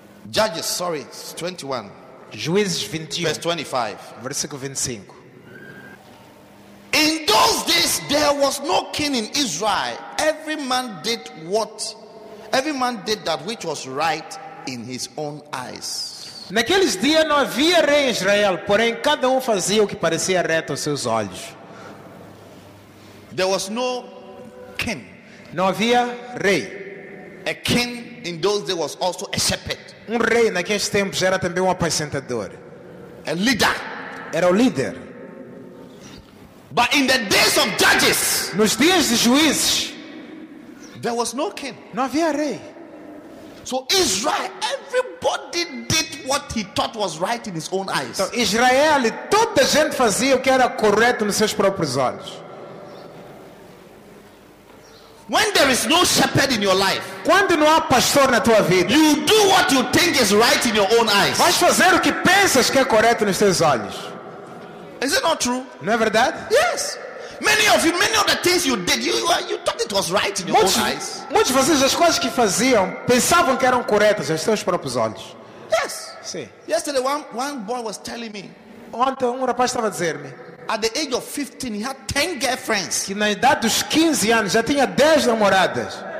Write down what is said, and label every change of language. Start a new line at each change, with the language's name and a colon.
English: Judges, sorry, 21.
Portuguese: Juízes 21.
English: Verse 25.
Portuguese: Versículo 25.
English: In those days there was no king in Israel. Every man did what? Every man did that which was right in his own eyes.
Portuguese: Naqueles dias não havia rei em Israel, porém cada fazia o que parecia reto aos seus olhos.
English: There was no king.
Portuguese: Não havia rei.
English: A king in those days was also a shepherd.
Portuguese: Rei naqueles tempos era também apacentador.
English: A leader.
Portuguese: Era o líder.
English: But in the days of judges,
Portuguese: nos dias de juízes,
English: there was no king.
Portuguese: Não havia rei.
English: So Israel, everybody did what he thought was right in his own eyes.
Portuguese: Então, Israel, toda a gente fazia o que era correto nos seus próprios olhos.
English: When there is no shepherd in your life,
Portuguese: quando não há pastor na tua vida,
English: you do what you think is right in your own eyes.
Portuguese: Vais fazer o que pensas que é correto nos teus olhos.
English: Is it not true?
Portuguese: Não é verdade?
English: Yes. Many of you, many of the things you did, you thought it was right in your own eyes.
Portuguese: Muitos vocês, as coisas que faziam, pensavam que eram corretas aos seus próprios olhos.
English: Yes.
Portuguese: Sim.
English: Yesterday, one boy was telling me.
Portuguese: Ontem rapaz estava a dizer-me.
English: At the age of 15, he had 10 girlfriends.
Portuguese: Que na idade dos 15 anos já tinha 10 namoradas.